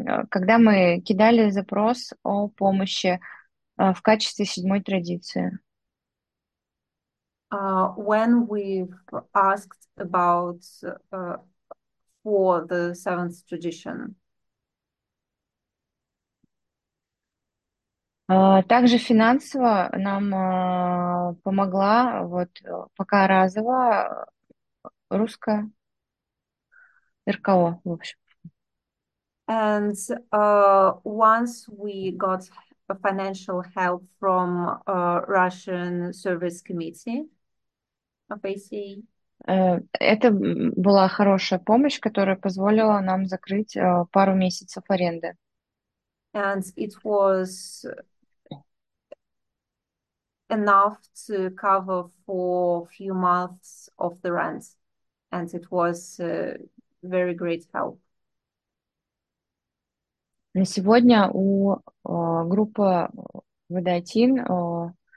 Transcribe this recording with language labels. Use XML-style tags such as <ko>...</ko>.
<ru>Когда мы кидали запрос о помощи в качестве седьмой традиции.</ru> <en>When we've asked about for the seventh tradition.</en> <ru>Также финансово нам помогла вот пока разово русское РКО, в общем.</ru> <en>And once we got a financial help from Russian Service Committee of ACA.</en> <ru>Это была хорошая помощь, которая позволила нам закрыть пару месяцев аренды.</ru> <en>And it was enough to cover for a few months of the rent, and it was a very great help.</en> <ru>На сегодня у группы ВДАТИН</ru>